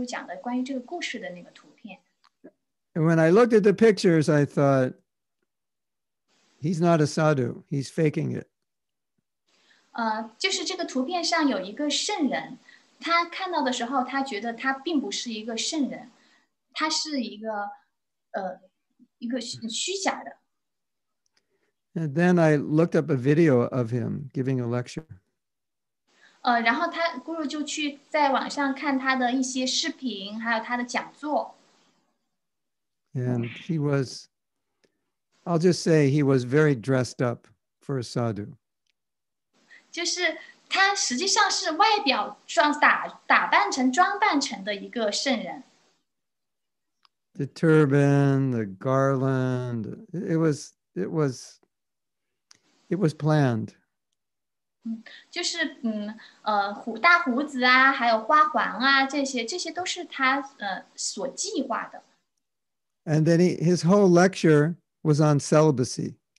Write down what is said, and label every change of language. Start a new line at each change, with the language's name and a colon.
Chinese: 我在两三年前在班加罗尔的时候看到过这个图片，guru讲的关于这个故事的那个图片。
English: And when I looked at the pictures, I thought, he's not a sadhu, he's faking it.
Chinese: 就是这个图片上有一个圣人，他看到的时候，他觉得他并不是一个圣人。
English: And then I looked up a video of him giving a lecture.
Chinese: 然后他guru就去在网上看他的一些视频, 还有他的讲座。
English: And he was, I'll just say he was very dressed up for a sadhu.
Chinese: 就是他实际上是外表装打打扮成装扮成的一个圣人。
English: The turban, the garland, it was planned.
Chinese: 就是大胡子啊，还有花环啊，这些都是他所计划的。
English: And then his whole lecture was on celibacy.